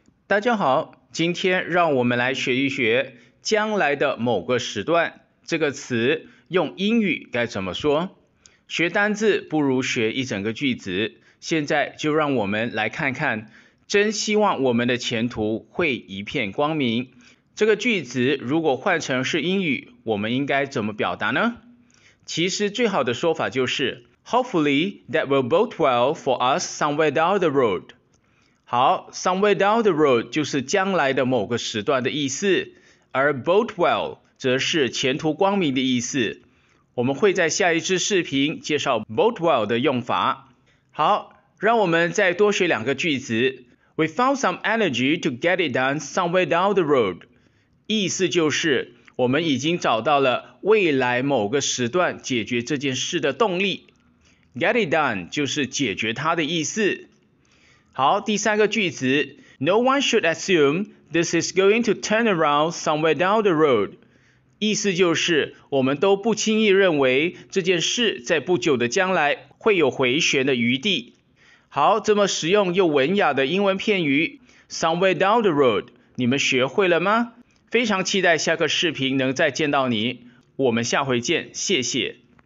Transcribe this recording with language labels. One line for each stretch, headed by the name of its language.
Chinese: 大家好，今天让我们来学一学将来的某个时段这个词用英语该怎么说。学单字不如学一整个句子，现在就让我们来看看，真希望我们的前途会一片光明。这个句子如果换成是英语，我们应该怎么表达呢？
English: 其实最好的说法就是 Hopefully that will bode well for us somewhere down the road。
Chinese: 好，somewhere down the road 就是将来的某个时段的意思，而 bode well 则是前途光明的意思。我们会在下一支视频介绍 bode well 的用法。好，让我们再多学两个句子。
English: We found some energy to get it done somewhere down the road。
Chinese: 意思就是我们已经找到了未来某个时段解决这件事的动力。 Get it done 就是解决它的意思。
English: 好，第三个句子， No one should assume this is going to turn around somewhere down the road。
Chinese: 意思就是，我们都不轻易认为这件事在不久的将来会有回旋的余地。好，这么实用又文雅的英文片语，somewhere down the road，你们学会了吗？非常期待下个视频能再见到你，我们下回见，谢谢。